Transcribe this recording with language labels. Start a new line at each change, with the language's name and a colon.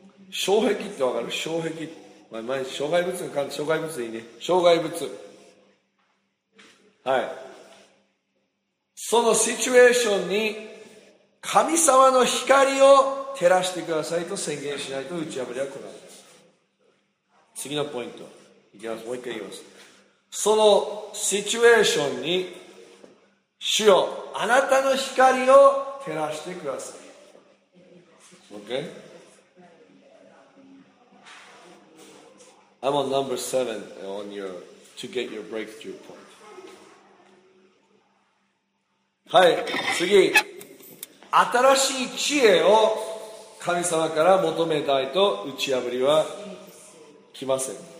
Japanese: 障壁ってわかる、障壁、まあ、前障害物が関係、障害物でいいね、障害物、はい、そのシチュエーションに神様の光を照らしてくださいと宣言しないと打ち破りは来ないです。次のポイントいきます。もう一回言います。そのシチュエーションに主よ、あなたの光を照らしてください。
English: OK、 I'm on number 7 on your, to get your breakthrough point。
Japanese: はい、次、新しい知恵を神様から求めたいと打ち破りは来ません。